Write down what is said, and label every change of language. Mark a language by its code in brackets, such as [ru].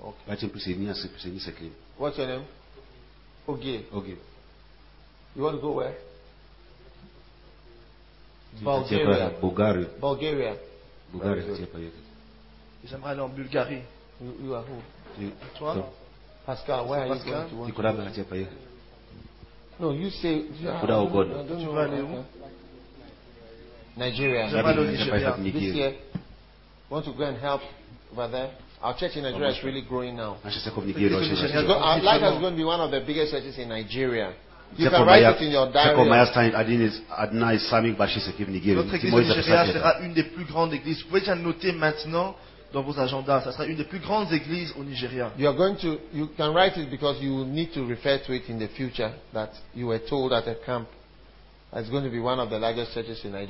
[en] Okay. What's your name? Ogie. Ogie. You want to go where? Bulgaria. Bulgaria. Bulgaria. [fr] J'aimerais aller en Bulgarie. [en] You are who? [fr] Toi? [en] Pascal, where are you going to want to go? No, you say... Yeah, I don't know. Nigeria. This year, want to go and help over there. Our church in Nigeria is really growing now. Our life is going to be one of the biggest churches in Nigeria. You can write it in your diary. [fr] Notre église sera une des plus grandes églises. Vous pouvez noter maintenant dans vos agendas. Ça sera une des plus grandes églises au Nigeria. [en] You are going to. You can write it because you need to refer to it in the future that you were told at a camp. It's going to be one of the largest churches in Nigeria.